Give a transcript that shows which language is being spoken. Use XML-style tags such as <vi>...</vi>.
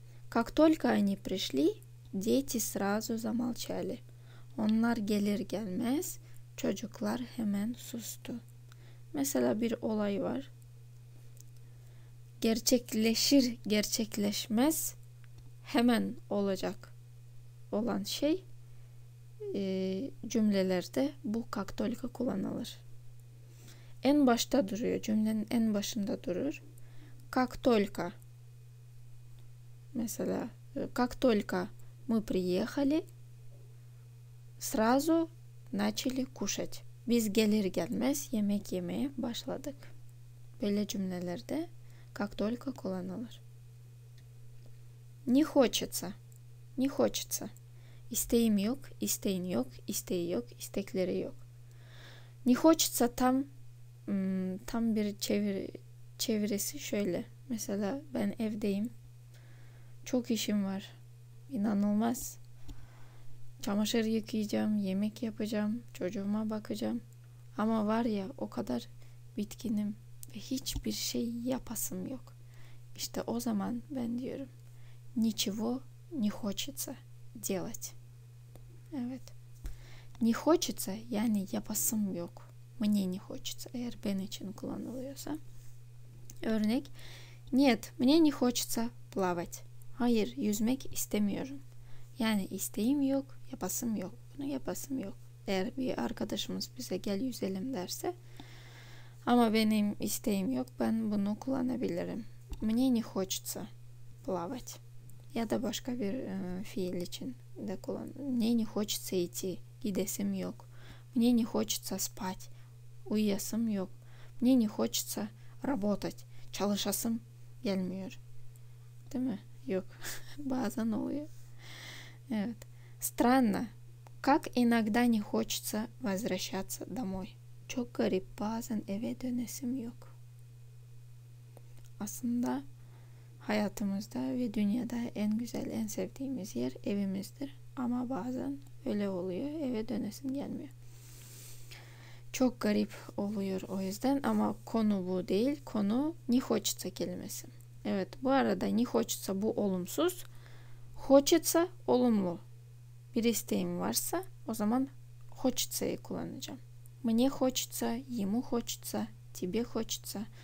<ru>Как только они пришли, дети сразу замолчали.</ru> <tr>Onlar gelir gelmez, çocuklar hemen sustu. Mesela bir olay var. Gerçekleşir, gerçekleşmez, hemen olacak olan şey cümlelerde bu</tr> <ru>как только</ru> <tr>kullanılır. En başta duruyor, cümlenin en başında durur.</tr> <ru>Как только, mesela, как только мы приехали, сразу начали кушать.</ru> <tr>Biz gelir gelmez yemek yemeye başladık. Böyle cümlelerde</tr> <ru>как только</ru> <tr>kullanılır.</tr> <ru>Не хочется. Не хочется.</ru> <tr>İsteğim yok, isteğin yok, isteği yok, istekleri yok.</tr> <ru>Не хочется</ru> <tr>tam bir çevresi şöyle. Mesela ben evdeyim. Çok işim var. İnanılmaz. Çamaşır yıkayacağım, yemek yapacağım, çocuğuma bakacağım. Ama var ya, o kadar bitkinim ve hiçbir şey yapasım yok. İşte o zaman ben diyorum.</tr> <ru>Ничего не хочется делать.</ru> <tr>Evet.</tr> <ru>Не хочется,</ru> <tr>yani yapasım yok.</tr> <ru>Мне не хочется,</ru> <tr>eğer ben için kullanılıyorsa. Örnek.</tr> <ru>Нет, мне не хочется плавать.</ru> <tr>Hayır, yüzmek istemiyorum. Yani isteğim yok, yapasım yok. Bunu yapasım yok. Eğer bir arkadaşımız bize gel yüzelim derse. Ama benim isteğim yok, ben bunu kullanabilirim.</tr> <ru>Мне не хочется плавать.</ru> <tr>Ya da başka bir fiil için de kullanırım.</tr> <ru>Мне не хочется идти,</ru> <tr>gidesim yok.</tr> <ru>Мне не хочется спать,</ru> <tr>uyuyasım yok.</tr> <ru>Мне не хочется работать,</ru> <tr>çalışasım gelmiyor. Değil mi? Yok. Bazen oluyor. Evet.</tr> <ru>Странно, как иногда не хочется возвращаться домой.</ru> <tr>Çok garip, bazen eve dönesim yok. Aslında hayatımızda ve dünyada en güzel, en sevdiğimiz yer evimizdir. Ama bazen öyle oluyor, eve dönesim gelmiyor. Çok garip oluyor o yüzden, ama konu bu değil, konu</tr> <ru>не хочется</ru> <tr>kelimesi. Evet, bu arada</tr> <ru>не хочется</ru> <tr>bu olumsuz. Хочется olumlu. Bir isteğim varsa o zaman хочется'yı kullanacağım.</tr> <ru>Мне хочется, ему хочется, тебе хочется.</ru>